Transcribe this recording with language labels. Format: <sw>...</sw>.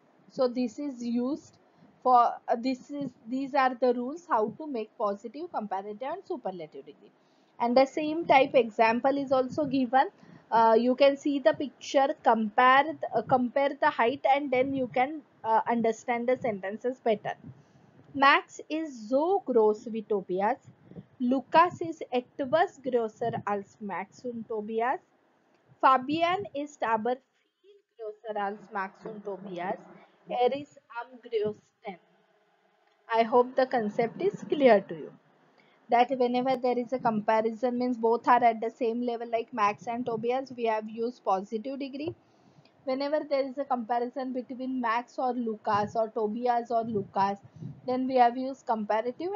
<en>So this is used for, these are the rules how to make positive, comparative and superlative degree. And the same type example is also given. You can see the picture, compare the height and then you can understand the sentences better.</en> <de>Max is so gross wie Tobias. Lukas is etwas grosser als Max und Tobias. Fabian ist aber viel grosser als Max und Tobias. Er ist am größten.</de> <en>I hope the concept is clear to you. That whenever there is a comparison, means both are at the same level like Max and Tobias, we have used positive degree. Whenever there is a comparison between Max or Lukas or Tobias or Lukas, then we have used comparative.</en>